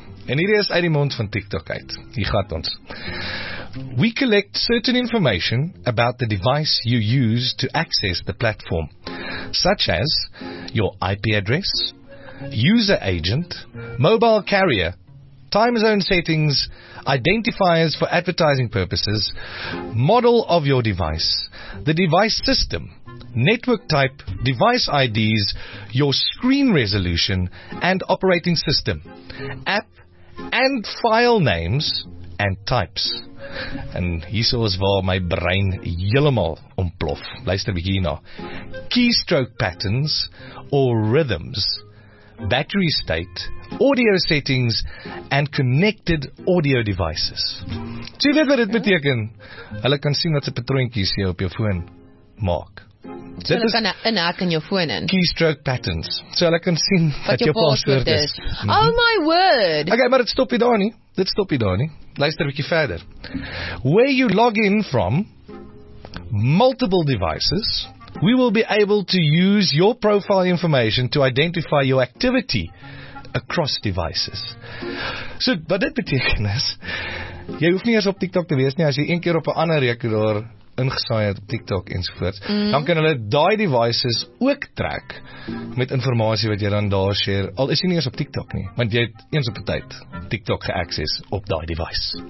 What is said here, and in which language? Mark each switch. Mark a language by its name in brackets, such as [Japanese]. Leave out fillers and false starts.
[Afrikaans] En hierdie is uit die mond van TikTok uit. Hier gaat ons. [English] We collect certain information about the device you use to access the platform, such as your IP address, user agent, mobile carrier, time zone settings, identifiers for advertising purposes, model of your device, the device system, network type, device IDs, your screen resolution, and operating system, app and file names and types. [Afrikaans] En hierso is waar my brein heeltemal ontplof. Luister bietjie hierna. [English] Keystroke patterns or rhythms, battery state, audio settings and connected audio devices. [Afrikaans] Sien jy wat dit beteken? Hulle kan sien wat se patroontjies jy op jou foon maak. dit is kan inhaak in jou foon in. [English] Keystroke patterns. [Afrikaans] So hulle kan sien wat jou paswoord is. [English] Oh my word. [Afrikaans] Okay, maar dit stop jy daar nie. Dit stop jy daar nie. Luister 'n bietjie verder. [English] Where you log in from multiple devices, we will be able to use your profile information to identify your activity across devices. [Afrikaans] So, wat dit beteken is, jy hoef nie eens op TikTok te wees nie, as jy een keer op 'n ander rekenaar ingesaai het op TikTok ensovoorts, dan kan hulle die devices ook track met informatie wat jy dan daar share, al is jy nie eens op TikTok nie, want jy het eens op die tyd TikTok geaccess op die device.